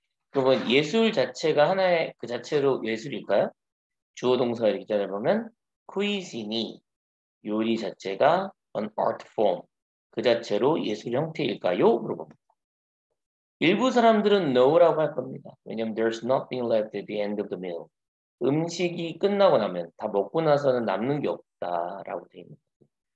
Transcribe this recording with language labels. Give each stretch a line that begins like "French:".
Korean: 그러면 예술 자체가 하나의 그 자체로 예술일까요? 주어 동사 이렇게 잘해보면 cuisine이 요리 자체가
English: an art form
Korean: 그 자체로 예술 형태일까요? 물어봅니다. 일부 사람들은 no라고 할 겁니다. 왜냐면
English: there's nothing left at the end of the meal.
Korean: 음식이 끝나고 나면 다 먹고 나서는 남는 게 없다라고 돼 있는 거죠.